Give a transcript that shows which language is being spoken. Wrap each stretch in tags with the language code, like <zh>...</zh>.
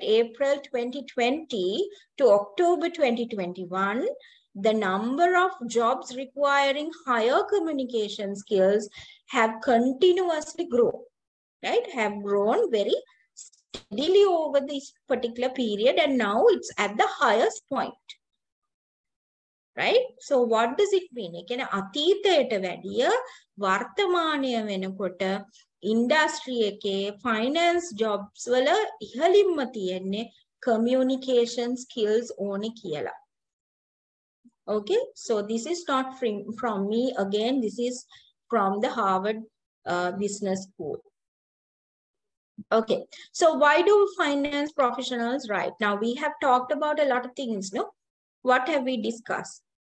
<en>April 2020 to October 2021, the number of jobs requiring higher communication skills have continuously grown, right? Have grown very steadily over this particular period, and now it's at the highest point, right? So what does it mean?</en> <si>Again, අතීතයට වැඩිය වර්තමානය වෙනකොට industry එකේ finance jobs වල ඉහළින්ම තියෙන්නේ communication skills ඕනේ කියලා.</si> <en>Okay, so this is not from me again. This is from the Harvard Business School. Okay, so why do finance professionals write? Now we have talked about a lot of things, no? What have we discussed?</en>